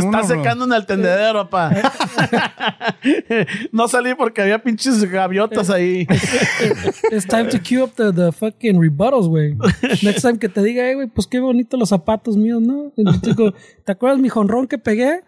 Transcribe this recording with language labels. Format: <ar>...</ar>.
<es>Se está secando, bro, en el tendedero, pa. No salí porque había pinches gaviotas ahí.</es> <en>It's time to queue up the fucking rebuttals, güey. Next time</en> <es>que te diga, hey, güey, pues qué bonito los zapatos míos, ¿no? Y te digo, ¿te acuerdas mi jonrón que pegué?</es>